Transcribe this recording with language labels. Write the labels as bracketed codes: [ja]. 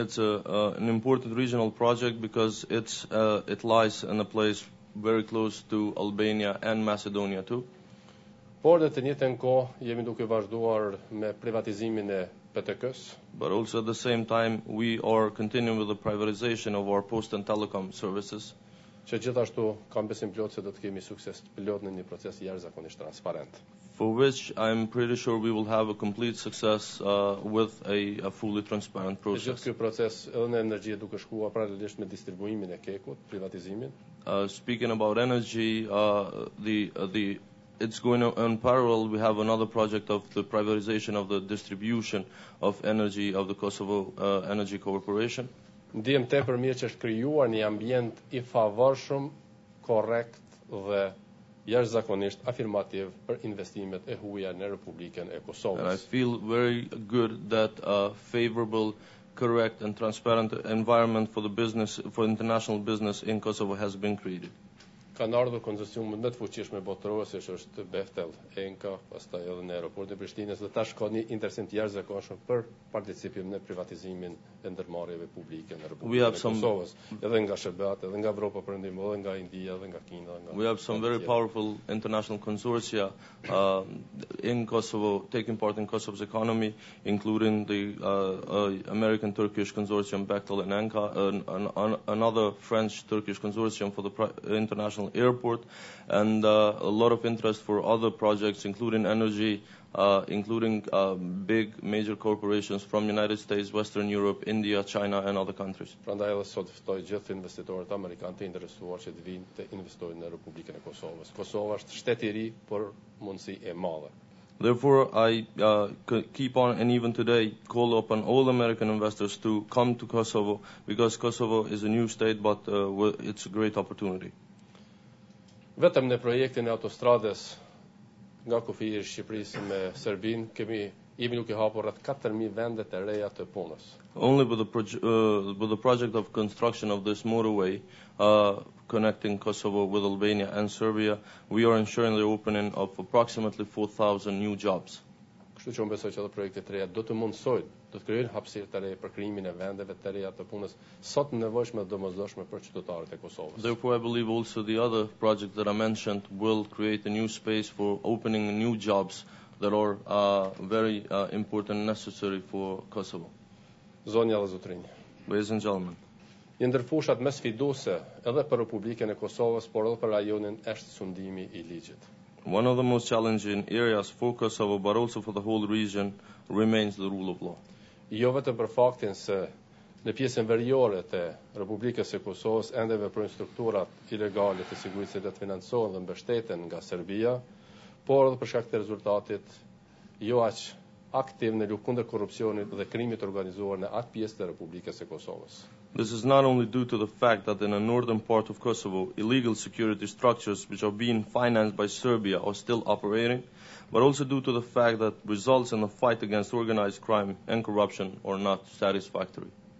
[en] It's an important regional project because it lies in a place very close to Albania and Macedonia too. [sq] Por në të njëjtën kohë jemi duke vazhduar me privatizimin e Petekas. [en] But also at the same time, we are continuing with the privatization of our post and telecom services. [sq] Și gjithashtu kam besim plot se do të kemi sukses plot në një proces jashtëzakonisht transparent. [en] For which I'm pretty sure we will have a complete success with a fully transparent process. [sq] Gjithë ky proces edhe në energji duke shkuar paralelisht me distribuimin e kekut, privatizimin. [en] Speaking about energy, the it's going on in parallel. We have another project of the privatization of the distribution of energy of the Kosovo Energy Corporation. [sq] Ndjem tepër mirë që është krijuar një ambient i favorshëm, korrekt dhe jashtëzakonisht afirmativ për investimet e huaja në Republikën e Kosovës. [en] And I feel very good that a favorable, correct and transparent environment for the business, for international business in Kosovo has been created. [sq] Kanë ardhur konsorciumet më të fuqishme botërore, siç është Beftel, Enka, pastaj edhe në aeroportin e Prishtinës, dhe tash ka një interesim të jashtëzakonshëm për participim në privatizimin e ndërmarrjeve publike në Republikën e Kosovës, edhe nga SBA-t, edhe nga Evropa Perëndimore, nga India, edhe nga Kina, nga. [en] We have some very powerful international consortia in Kosovo taking part in Kosovo's economy, including the American Turkish consortium Beftel and Enka, another French Turkish consortium for the international airport, and a lot of interest for other projects, including energy, including big major corporations from United States, Western Europe, India, China, and other countries. [sq] Prandaj edhe sot ftoj gjithë investitorët amerikanë të interesuar që të vinë të investojnë në Republikën e Kosovës. Kosova është shteti i ri, por mundësi e madhe. [en] Therefore, I keep on and even today call upon all American investors to come to Kosovo, because Kosovo is a new state, but it's a great opportunity. [sq] Vetëm në projektin e autostradës nga kufiri i Shqipërisë me Serbinë jemi duke hapur rreth 4000 vende të reja të punës. [en] Only with the project of construction of this motorway connecting Kosovo with Albania and Serbia, we are ensuring the opening of approximately 4000 new jobs. [sq] Kështu që unë besoj që projekti të reja do të mundësojë, do të krijojë hapësirë të reja për krijimin e vendeve të reja të punës, sot nevojshme dhe domosdoshme për qytetarët e Kosovës. [en] Therefore, I believe also the other project that I mentioned will create a new space for opening new jobs that are very important and necessary for Kosovo. [sq] Zonja dhe zotrinj. [en] Ladies and gentlemen. [sq] Një ndër fushat më sfiduese edhe për Republikën e Kosovës, por edhe për rajonin është sundimi i ligjit. [en] One of the most challenging areas for Kosovo, but also for the whole region, remains the rule of law. [sq] Jo vetëm për faktin se në pjesën veriore të Republikës së Kosovës ende veprojnë strukturat ilegale të sigurisë që financohen dhe mbështeten nga Serbia, por edhe për shkak të rezultatit jo aq aktiv në luftë kundër korrupsionit dhe krimit të organizuar në atë pjesë të Republikës së Kosovës. [en] This is not only due to the fact that in a northern part of Kosovo, illegal security structures which are being financed by Serbia are still operating, but also due to the fact that results in the fight against organized crime and corruption are not satisfactory.